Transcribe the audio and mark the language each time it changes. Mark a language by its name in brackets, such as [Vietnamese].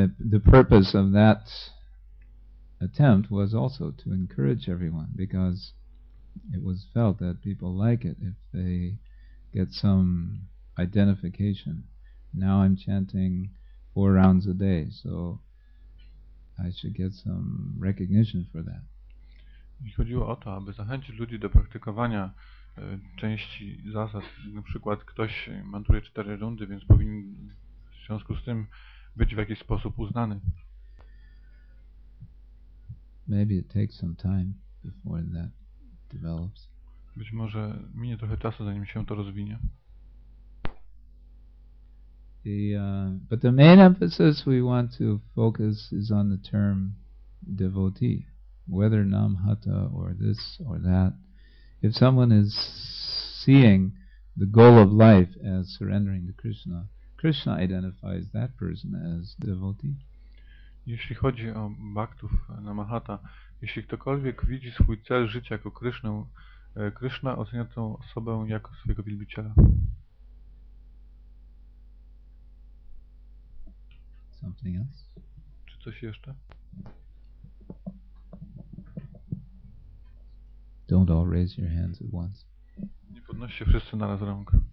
[English] The purpose of that attempt was also to encourage everyone, because it was felt that people like it if they get some identification. Now I'm chanting 4 rounds a day, so I should get some recognition for that. [Polish] I chodziło o to, aby zachęcić ludzi do praktykowania części zasad. Na przykład ktoś mantruje 4 rundy, więc powinien w związku z tym być w jakiś sposób uznany. [English] Maybe it takes some time before that develops. [Polish] Być może minie trochę czasu, zanim się to rozwinie. [English] But the main emphasis we want to focus is on the term devotee, whether Namhata or this or that. If someone is seeing the goal of life as surrendering to Krishna, Krishna identifies that person as devotee. [Polish] Jeśli chodzi o baktów Namahata, jeśli ktokolwiek widzi swój cel życia jako Krishna, Krishna ocenia tę osobę jako swojego wielbiciela. [English] Something else? [Polish] Czy coś jeszcze? [English] Don't all raise your hands at once. [Polish] Nie podnoście wszyscy naraz rąk.